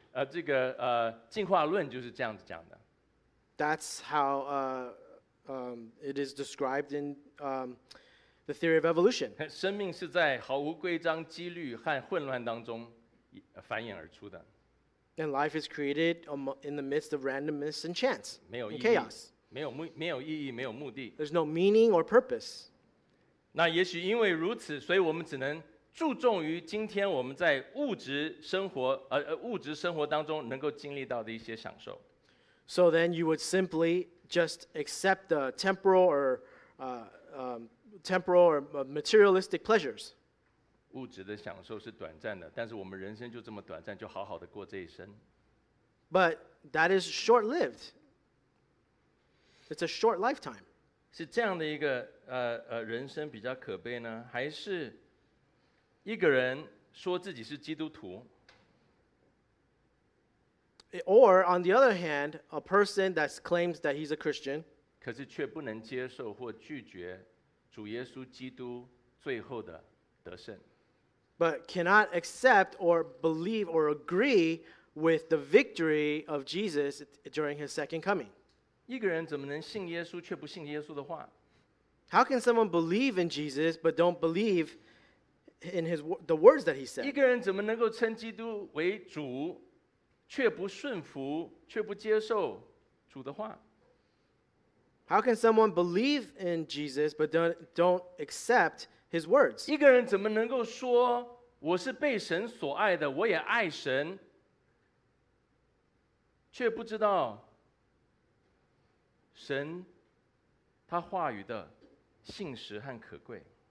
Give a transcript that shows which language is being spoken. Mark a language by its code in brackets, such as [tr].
[zh] 这个进化论就是这样子讲的。 [en] That's how it is described in the theory of evolution. [zh] 生命是在毫无规章、几率和混乱当中繁衍而出的。 [en] And life is created in the midst of randomness and chance, [zh] 没有意义 [en] and chaos. [zh] 没有意义，没有目的。 [en] There's no meaning or purpose. [zh] 那也许因为如此，所以我们只能注重于今天我们在物质生活，物质生活当中能够经历到的一些享受。 [en] So then you would simply just accept the temporal or materialistic pleasures. [zh] 物质的享受是短暂的，但是我们人生就这么短暂，就好好的过这一生。 [en] But that is short-lived. It's a short lifetime. [zh] 是这样的一个人生比较可悲呢，还是一个人说自己是基督徒？ [en] Or, on the other hand, a person that claims that he's a Christian, [zh] 可是却不能接受或拒绝主耶稣基督最后的得胜。 [en] But cannot accept or believe or agree with the victory of Jesus during his second coming. [zh] 一个人怎么能信耶稣却不信耶稣的话？ [en] How can someone believe in Jesus but don't believe in the words that he said? [zh] 一个人怎么能够称基督为主却不顺服，却不接受主的话。 [en] How can someone believe in Jesus but don't accept his words? [zh] 一个人怎么能够说我是被神所爱的，我也爱神，却不知道神他话语的信实和可贵。